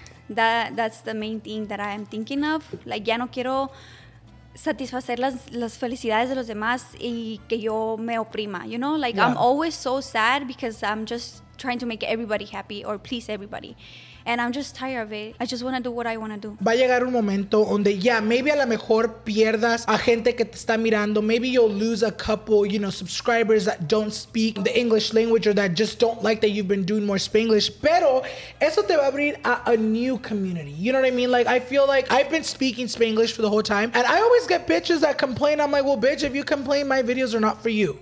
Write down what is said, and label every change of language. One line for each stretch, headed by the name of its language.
English: That's the main thing that I am thinking of.
Spanish: Like, ya no quiero satisfacer las felicidades de los demás y que yo me oprima,
English: you know? Like, I'm always so sad because I'm just trying to make everybody happy or please everybody. And I'm just tired of it. I just want to do what I want to do.
Spanish: Va a llegar un momento donde, maybe a lo mejor pierdas a gente que te está mirando.
English: Maybe you'll lose a couple, you know, subscribers that don't speak the English language or that just don't like that you've been doing more Spanglish.
Spanish: Pero eso te va a abrir a
English: new community. You know what I mean? Like, I feel like I've been speaking Spanglish for the whole time. And I always get bitches that complain. I'm like, well, bitch, if you complain, my videos are not for you.